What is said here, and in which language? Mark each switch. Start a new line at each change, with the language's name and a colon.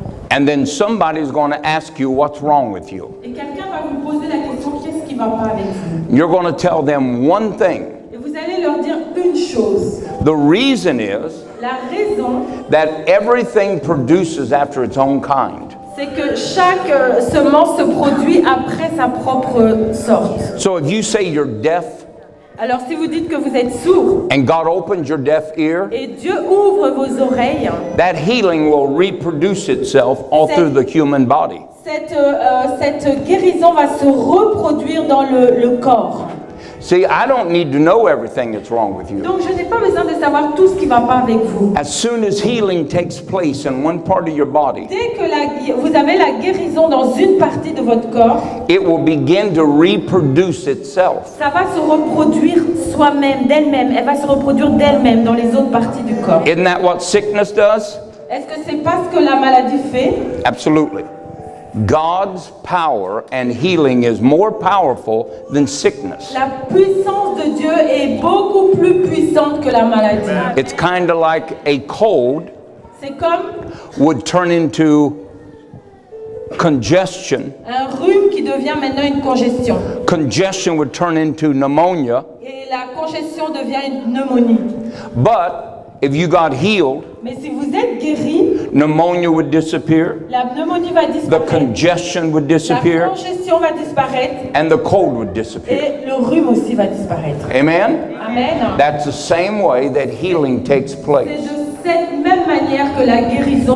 English: And then somebody's going to ask you what's wrong with you. You're going to tell them one thing. The reason is that everything produces after its own kind.
French: C'est que chaque semence se produit après sa propre sorte.
English: So if you say you're deaf,
French: alors si vous dites que vous êtes sourd,
English: and God opens your deaf ear,
French: et Dieu ouvre vos oreilles,
English: that healing will reproduce itself all through the human body.
French: Cette guérison va se reproduire dans le corps.
English: See, I don't need to know everything that's wrong with you.
French: Donc, je n'ai pas besoin de savoir tout ce qui va pas avec vous.
English: As soon as healing takes place in one part of your body,
French: dès que vous avez la guérison dans une partie de votre corps,
English: it will begin to reproduce itself.
French: Ça va se reproduire soi-même, d'elle-même. Elle va se reproduire d'elle-même dans les autres parties du corps.
English: Isn't that what sickness does?
French: Est-ce que c'est pas ce que la maladie fait?
English: Absolutely. God's power and healing is more powerful than sickness.
French: La puissance de Dieu est beaucoup plus puissante que la maladie.
English: It's kind of like a cold would turn into congestion.
French: Un rhume qui devient maintenant une congestion.
English: Congestion would turn into pneumonia.
French: Et la congestion devient une pneumonie.
English: But if you got healed,
French: mais si vous êtes guéri,
English: pneumonia would disappear.
French: La pneumonie va disparaître.
English: The congestion would disappear.
French: La congestion va disparaître.
English: And the cold would disappear.
French: Et le rhume aussi va disparaître.
English: Amen? Amen. That's the same way that healing takes place.
French: C'est de cette même manière que la guérison.